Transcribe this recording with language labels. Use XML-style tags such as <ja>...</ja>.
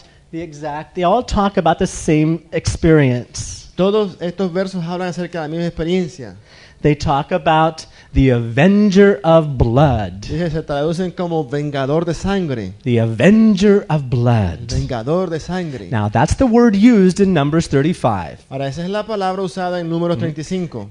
<en>They all talk about the same experience.</en> <es>Todos estos versos hablan acerca de la misma experiencia.</es> <en>They talk about the avenger of blood.</en> <es>Dice, se traducen como vengador de sangre.</es> <en>The avenger of blood.</en> <es>Vengador de sangre.</es> <en>Now that's the word used in Numbers 35.</en> <es>Ahora esa es la palabra usada en Números 35.</es>